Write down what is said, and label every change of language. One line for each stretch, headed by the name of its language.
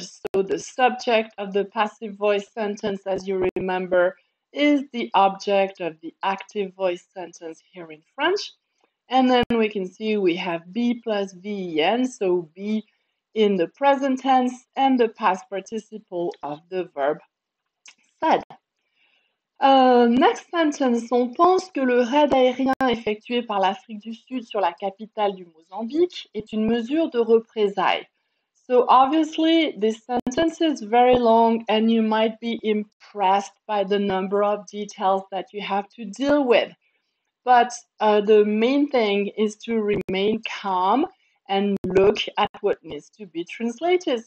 English: So the subject of the passive voice sentence, as you remember, is the object of the active voice sentence here in French. And then we can see we have be plus ven, so be in the present tense and the past participle of the verb said.
French: Next sentence, on pense que le raid aérien effectué par l'Afrique du Sud sur la capitale du Mozambique est une mesure de représailles.
English: So obviously, this sentence is very long and you might be impressed by the number of details that you have to deal with. But the main thing is to remain calm and look at what needs to be translated.